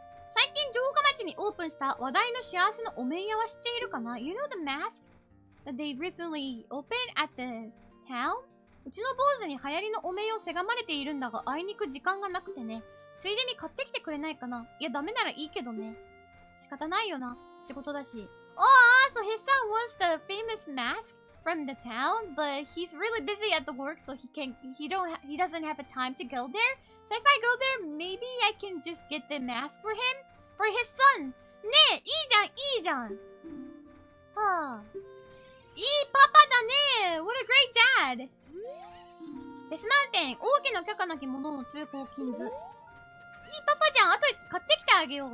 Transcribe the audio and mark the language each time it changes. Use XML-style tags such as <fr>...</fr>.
<ja>最近城下町にオープンした話題の幸せのお面屋は知っているかな ?</ja> <en>You know the mask? They recently opened at the town?</en> <ja>うちの坊主に流行りのお面をせがまれているんだが、あいにく時間がなくてね。ついでに買ってきてくれないかな。いや、ダメならいいけどね。仕方ないよな。仕事だし。</ja> <en>Oh, so his son wants the famous mask from the town, but he's really busy at the work, so he doesn't have a time to go there. So if I go there, maybe I can just get the mask for him? For his son!</en> <ja>ねえ、いいじゃん、いいじゃん。はあ。いいパパだね。</ja> <en>What a great dad!</en> <ja>デスマウンテン、王家の許可なき者の通行禁ず。いいパパじゃん、あと買ってきてあげよう。</ja>